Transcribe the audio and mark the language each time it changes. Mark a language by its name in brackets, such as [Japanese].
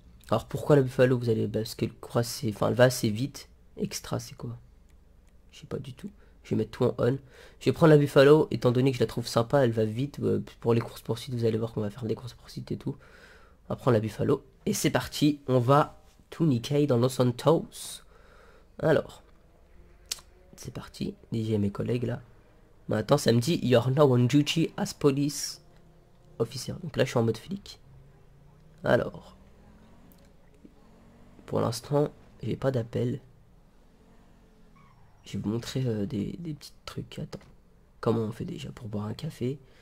[French] Alors, pourquoi la Buffalo, vous allez... Parce qu'elle croit, c'est... Enfin, elle va assez vite. Extra, c'est quoi? Je sais pas du tout. Je vais mettre tout en on. Je vais prendre la Buffalo, étant donné que je la trouve sympa, elle va vite. Pour les courses-poursuites, vous allez voir qu'on va faire des courses-poursuites et tout. On va prendre la Buffalo. Et c'est parti, on va tout niquer dans Los Santos. Alors, c'est parti. Déjà mes collègues là. Maintenant, ça me dit, [English] you're now on duty as police officer. [French] Donc là, je suis en mode flic. Alors, pour l'instant, j'ai pas d'appel. Je vais vous montrer des petits trucs. Attends. Comment on fait déjà pour boire un café?